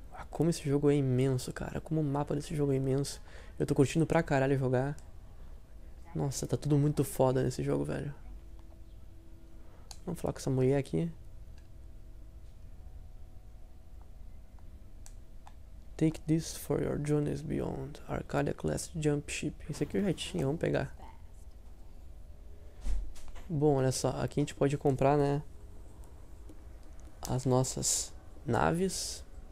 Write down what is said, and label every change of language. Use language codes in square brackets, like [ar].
[pt] Como esse jogo é imenso, cara. Como o mapa desse jogo é imenso. Eu tô curtindo pra caralho jogar. Nossa, tá tudo muito foda nesse jogo, velho. Vamos falar com essa mulher aqui. [en] Take this for your journeys beyond Arcadia Class Jump Ship. [pt] Esse aqui eu já tinha, vamos pegar. Bom, olha só. Aqui a gente pode comprar, né? As nossas naves.